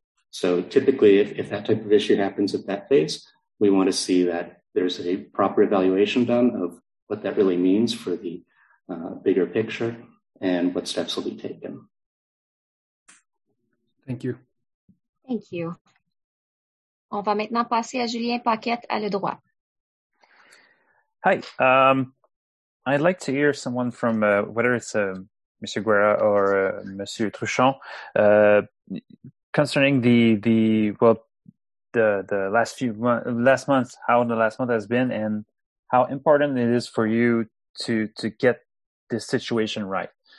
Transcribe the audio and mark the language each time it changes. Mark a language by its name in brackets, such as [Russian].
[English] So typically, if that type of issue happens at that phase, we want to see that there's a proper evaluation done of what that really means for the bigger picture and what steps will be taken. Thank you. Thank you. [French] On va maintenant passer à Julien Paquette à Le Droit. [English] Hi. I'd like to hear someone from whether it's a Mr. Guerra or Monsieur Truchon, concerning the last month, how the last month has been, and how important it is for you to get this situation right.